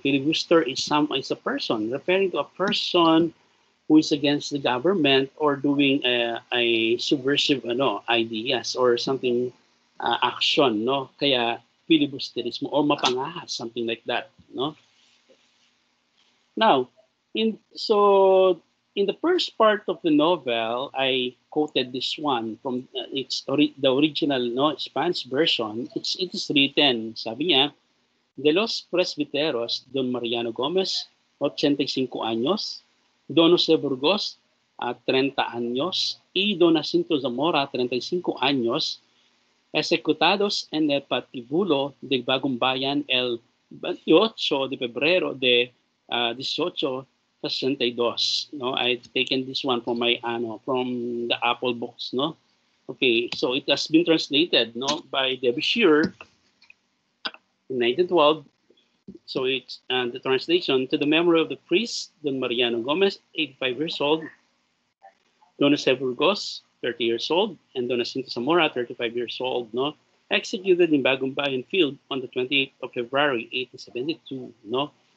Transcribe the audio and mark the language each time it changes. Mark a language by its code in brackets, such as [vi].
[en] Filibuster is a person, referring to a person who is against the government or doing a subversive [tl] ano, [en] ideas or something, action, no? [tl] Kaya [en] filibusterismo or mapangahas, something like that, no? Now, in the first part of the novel, I quoted this one from the original, no, Spanish version. It is written, [tl] sabi niya, [es] de los presbiteros Don Mariano Gomez, 85 años, Don Jose Burgos, 30 años, y Don Jacinto Zamora, 35 años, ejecutados en el patibulo de Bagumbayan el 28 de febrero de 1862. [en] No, I've taken this one from my from the Apple books, no. Okay, so it has been translated, no, by Debbie Shear in 1912. So it's the translation to the memory of the priest Don Mariano Gomez, 85 years old, Don Jose Burgos, 30 years old, and Don Jacinto Zamora, 35 years old, no, executed in Bagumbayan Field on the 28th of February, 1872, no.